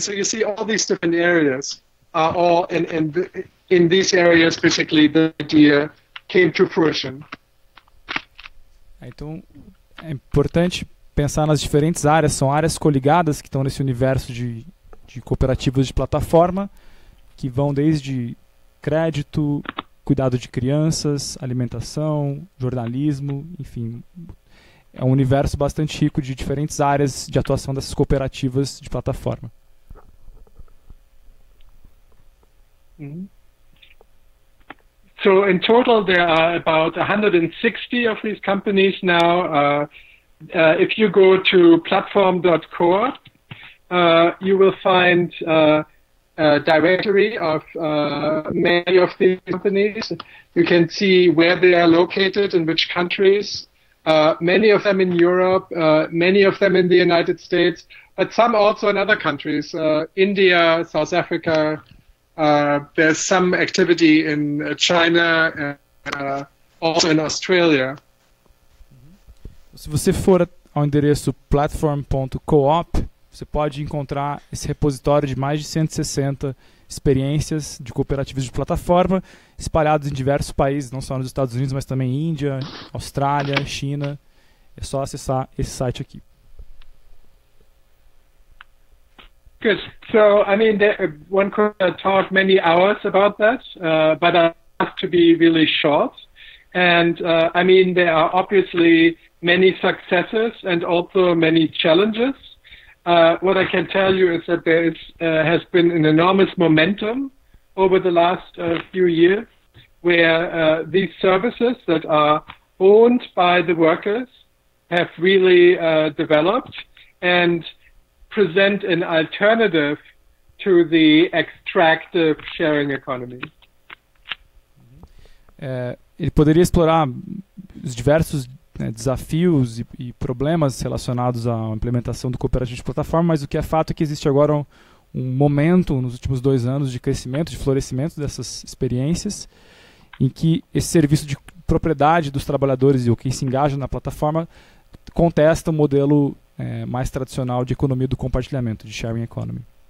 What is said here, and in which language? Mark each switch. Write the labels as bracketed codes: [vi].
[en] So you see all these different areas are all in these areas, basically, the idea came to fruition. [pt] Então, é importante pensar nas diferentes áreas. São áreas coligadas que estão nesse universo de cooperativas de plataforma, que vão desde crédito, cuidado de crianças, alimentação, jornalismo, enfim. É um universo bastante rico de diferentes áreas de atuação dessas cooperativas de plataforma. Mm-hmm. [en] So in total, there are about 160 of these companies now. If you go to platform.core, you will find a directory of many of these companies. You can see where they are located, in which countries. Many of them in Europe, many of them in the United States, but some also in other countries, India, South Africa. There's some activity in China and also in Australia. [pt] Se você for ao endereço platform.coop, você pode encontrar esse repositório de mais de 160 experiências de cooperativas de plataforma espalhados em diversos países, não só nos Estados Unidos, mas também Índia, Austrália, China. É só acessar esse site aqui. [en] Good. So, I mean, one could talk many hours about that, but I have to be really short. And, I mean, there are obviously many successes and also many challenges. What I can tell you is that there is, has been an enormous momentum over the last few years where these services that are owned by the workers have really developed and present an alternative to the extractive sharing economy. [pt] Ele poderia explorar os diversos desafios e problemas relacionados à implementação do cooperativo de plataforma, mas o que é fato é que existe agora um momento nos últimos 2 anos de crescimento, de florescimento dessas experiências, em que esse serviço de propriedade dos trabalhadores e o que se engaja na plataforma contesta o modelo mais tradicional de economia do compartilhamento, de sharing economy.